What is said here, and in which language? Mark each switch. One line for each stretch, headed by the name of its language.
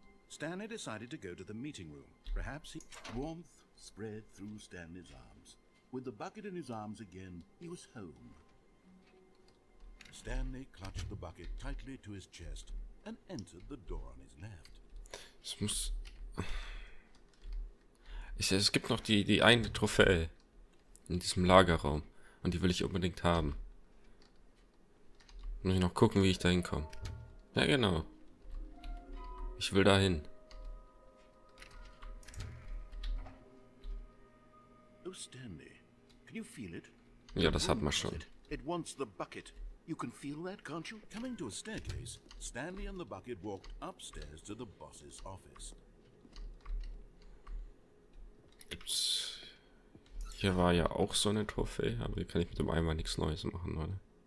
English: Stanley decided to go to the meeting room. Perhaps he... Warmth spread through Stanley's arms. With the bucket in his arms again, he was home. Stanley clutched the bucket tightly to his chest and entered the door on his left.
German: Es muss... Es gibt noch die eine Trophäe in diesem Lagerraum und die will ich unbedingt haben. Muss ich noch gucken, wie ich da hinkomme. Ja, genau. Ich will da hin.
English: Oh, Stanley, can you feel it?
German: Ja, das hat man schon.
English: It wants the bucket. You can feel that, can't you? Coming to a staircase, Stanley and the bucket walked upstairs to the boss's office.
German: Gibt's. Hier war ja auch so eine Trophäe, aber hier kann ich mit dem Eimer nichts Neues machen, oder?